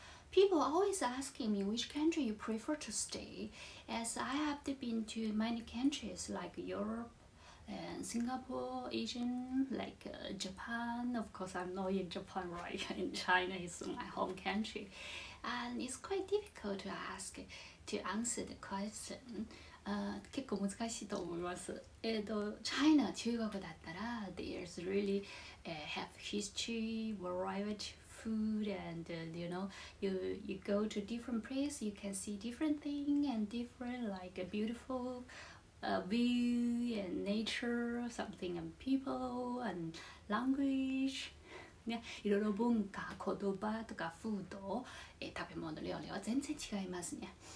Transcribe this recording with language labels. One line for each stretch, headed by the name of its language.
English: People always asking me which country you prefer to stay, as I have been to many countries like Europe and Singapore, Asian, like Japan. Of course, I'm not in Japan, right? In China is my home country. And it's quite difficult to ask, to answer the question.
Japanese: 結構難しいと思います。
English: China,
Japanese: 中国だったら、
English: there's really have history, variety,food and you know you go to different place you can see different thing and different like a beautiful view and nature something and people and language ね
Japanese: いろいろ文化言葉とかフード食べ物料理は全然違いますね